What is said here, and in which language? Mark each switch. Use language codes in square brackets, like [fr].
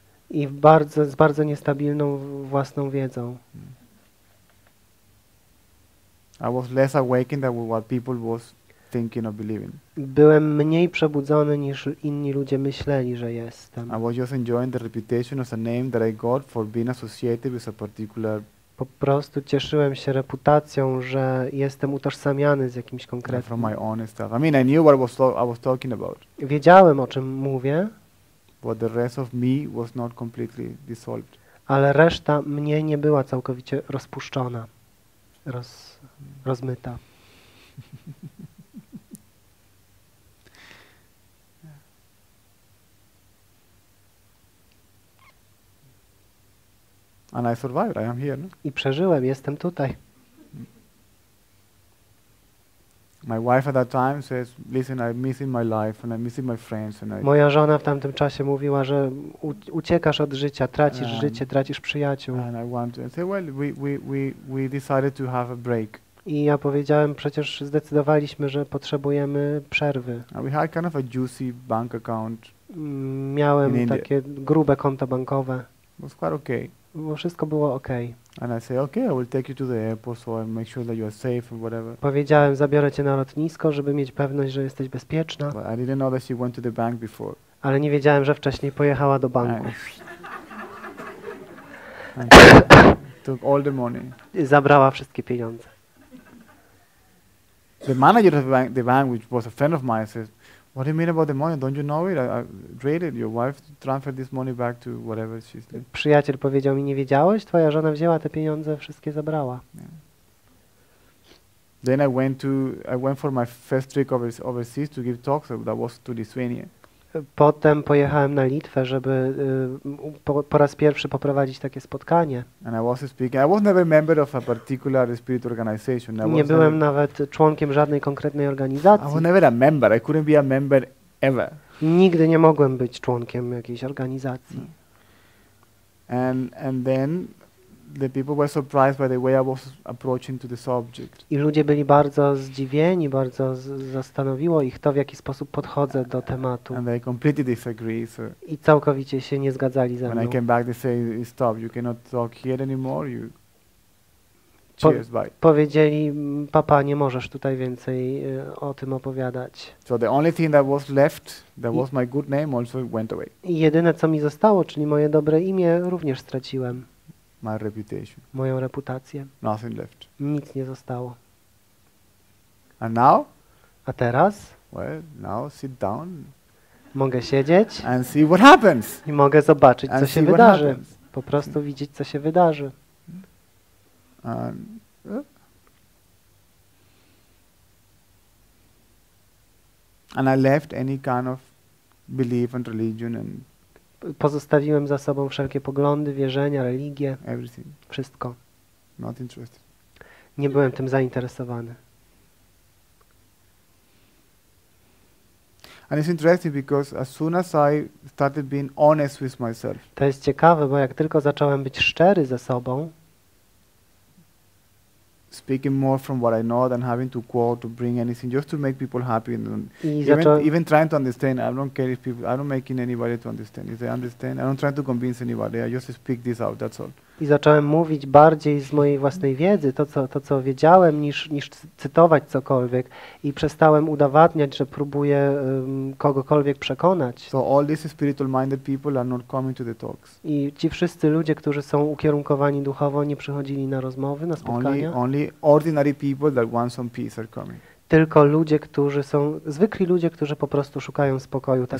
[pl] I z bardzo niestabilną własną wiedzą. [en] I was less awakened than what people was thinking or believing. [pl] Byłem mniej przebudzony niż inni ludzie myśleli, że jestem. [en] I was just enjoying the reputation as a name that I got for being associated with a particular. [pl] Po prostu cieszyłem się reputacją, że jestem utożsamiany z jakimś konkretnym. [en] From my own stuff. I mean, I knew what I was talking about. [pl] Wiedziałem, o czym mówię. [en] But the rest of me was not completely dissolved. [pl] Ale reszta mnie nie była całkowicie rozpuszczona, rozmyta. [en] And I survived. I am here. No? [pl] I przeżyłem. Jestem tutaj. [en] My wife at that time says, "Listen, I'm missing my life and I'm missing my friends." And [pl] moja żona w tamtym czasie mówiła, że uciekasz od życia, tracisz życie, tracisz przyjaciół. [en] And I want to say, "Well, we decided to have a break." [pl] I ja powiedziałem, przecież zdecydowaliśmy, że potrzebujemy przerwy. [en] And we had kind of a juicy bank account. [pl] Miałem takie grube konto bankowe. [en] It was quite okay. [pl] Bo wszystko było okej. [en] And I say, okay, I will take you to the airport, so I make sure that you are safe and whatever. [pl] Powiedziałem, zabiorę cię na lotnisko, żeby mieć pewność, że jesteś bezpieczna. [en] But I didn't know that she went to the bank before. [pl] Ale nie wiedziałem, że wcześniej pojechała do banku. [en] Took all the money. [pl] Zabrała wszystkie pieniądze. [en] The manager of the bank, which was a friend of mine, said, "What do you mean about the money? Don't you know it? I read it. Your wife transferred this money back to whatever she said." [pl] Przyjaciel powiedział mi, nie wiedziałeś? Twoja żona wzięła te pieniądze, wszystkie zabrała. [en] Yeah. Then I went for my first trip overseas to give talks. That was to Lithuania. [pl] Potem pojechałem na Litwę, żeby po raz pierwszy poprowadzić takie spotkanie. [en] And I was speaking. I was never a member of a particular spirit organization. [pl] Nie byłem nawet członkiem żadnej konkretnej organizacji. [en] I was never a member. I couldn't be a member ever. [pl] Nigdy nie mogłem być członkiem jakiejś organizacji. [en] And then the people were surprised by the way I was approaching to the subject. [pl] I ludzie byli bardzo zdziwieni, bardzo zastanowiło ich to, w jaki sposób podchodzę do tematu. [en] And they completely disagree. So [pl] i całkowicie się nie zgadzali ze mną. [en] When I came back, they say, "Stop, you cannot talk here anymore. You cheers, bye." [pl] Powiedzieli, papa, nie możesz tutaj więcej o tym opowiadać. [en] So the only thing that was left, that was my good name, also went away. [pl] I jedyne, co mi zostało, czyli moje dobre imię, również straciłem. [en] My reputation. [pl] Moją reputację. [en] Nothing left. [pl] Nic nie zostało. [en] And now? [pl] A teraz? [en] Well, now sit down. [pl] Mogę siedzieć. [en] And see what happens. [pl] I mogę zobaczyć, co się wydarzy. Po prostu widzieć, co się wydarzy. [en] And I left any kind of belief and religion and. [pl] Pozostawiłem za sobą wszelkie poglądy, wierzenia, religie. [en] Everything. [pl] Wszystko. [en] Not interested. [pl] Nie byłem tym zainteresowany. [en] And it's interesting because as soon as I started being honest with myself. [pl] To jest ciekawe, bo jak tylko zacząłem być szczery ze sobą. [en] Speaking more from what I know than having to quote to bring anything just to make people happy and even trying to understand. I don't care if people. I don't making anybody to understand. If they understand, I don't try to convince anybody. I just speak this out. That's all. [pl] I zacząłem mówić bardziej z mojej własnej wiedzy, to co wiedziałem, niż cytować cokolwiek. I przestałem udowadniać, że próbuję kogokolwiek przekonać. [en] So all these spiritual-minded people are not coming to the talks. [pl] I ci wszyscy ludzie, którzy są ukierunkowani duchowo, nie przychodzili na rozmowy, na spotkania. [en] Only ordinary people that want some peace are coming. [pl] Tylko ludzie, którzy są, zwykli ludzie, którzy po prostu szukają spokoju, tak